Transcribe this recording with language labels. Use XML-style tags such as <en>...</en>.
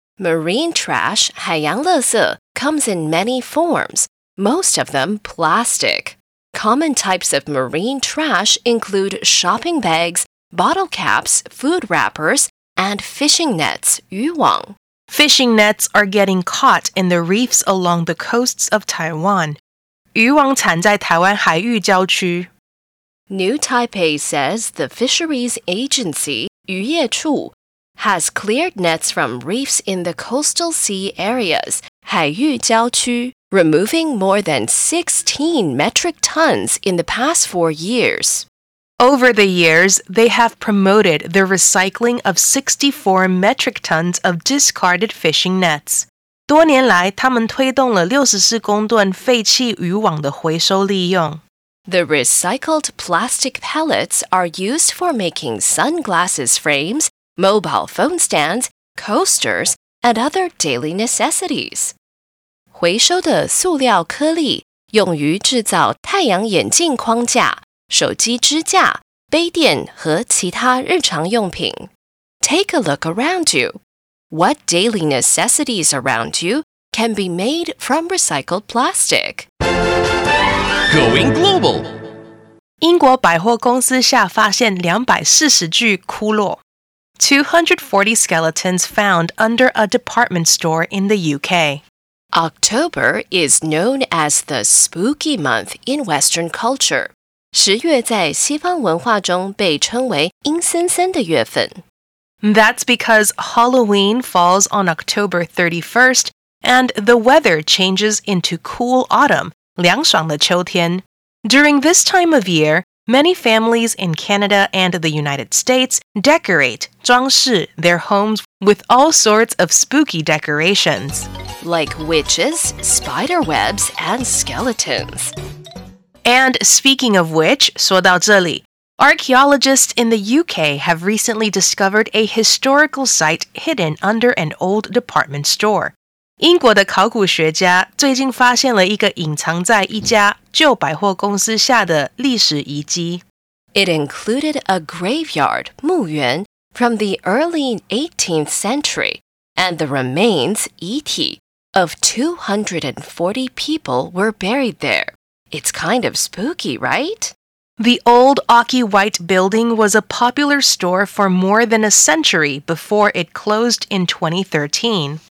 <en>Marine trash,</en> <zh>海洋垃圾,</zh> <en>comes in many forms, most of them plastic. Common types of marine trash include shopping bags, bottle caps, food wrappers, and fishing nets,</en> <zh>渔网.</zh> <en>Fishing nets are getting caught in the reefs along the coasts of Taiwan.</en> <zh>渔网缠在台湾海域礁区。</zh> <en>New Taipei says the Fisheries Agency,</en> <zh>渔业处,</zh> <en>has cleared nets from reefs in the coastal sea areas,</en> <zh>海域礁区,</zh> <en>removing more than 16 metric tons in the past 4 years. Over the years, they have promoted the recycling of 64 metric tons of discarded fishing nets.</en> <zh>多年来，他们推动了64公吨废弃渔网的回收利用。</zh> <en>The recycled plastic pellets are used for making sunglasses frames, mobile phone stands, coasters, and other daily necessities.</en> <zh>回收的塑料颗粒用于制造太阳眼镜框架、手机支架、杯垫和其他日常用品。</zh> <en>Take a look around you. What daily necessities around you can be made from recycled plastic? Going global!</en> <zh>英国百货公司下发现240具骷髅。</zh> <en>240 skeletons found under a department store in the UK. October is known as the spooky month in Western culture.</en> <zh>十月在西方文化中被称为阴森森的月份。</zh> <en>That's because Halloween falls on October 31st, and the weather changes into cool autumn,</en> <zh>涼爽的秋天.</zh> <en>During this time of year, many families in Canada and the United States decorate</en> <zh>装饰</zh> <en>their homes with all sorts of spooky decorations. Like witches, spider webs, and skeletons. And speaking of which,</en> <zh>说到这里,</zh> <en>Archaeologists in the UK have recently discovered a historical site hidden under an old department store.</en> <zh>英国的考古学家最近发现了一个隐藏在一家旧百货公司下的历史遗迹。</zh> <en>It included a graveyard,</en> <zh>墓园,</zh> <en>from the early 18th century, and the remains,</en> <zh>遗体,</zh> <en>of 240 people were buried there. It's kind of spooky, right? The old Ocky White building was a popular store for more than a century before it closed in 2013.</en>